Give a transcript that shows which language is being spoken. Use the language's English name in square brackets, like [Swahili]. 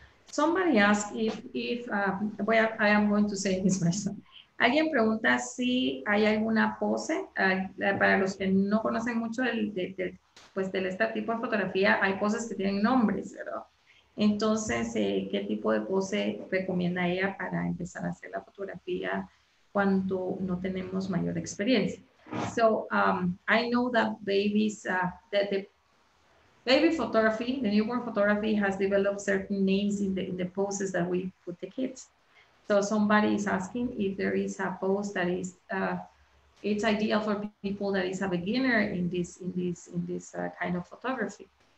[English] Somebody asks I am going to say this myself. [Spanish] Alguien pregunta si hay alguna pose, para los que no conocen mucho pues de este tipo de fotografía, hay poses que tienen nombres, ¿verdad? Entonces, ¿qué tipo de pose recomienda ella para empezar a hacer la fotografía cuando no tenemos mayor experiencia? [English] So, I know that the baby photography, the newborn photography has developed certain names in the poses that we put the kids. So somebody is asking if there is a pose that is it's ideal for people that is a beginner in this kind of photography.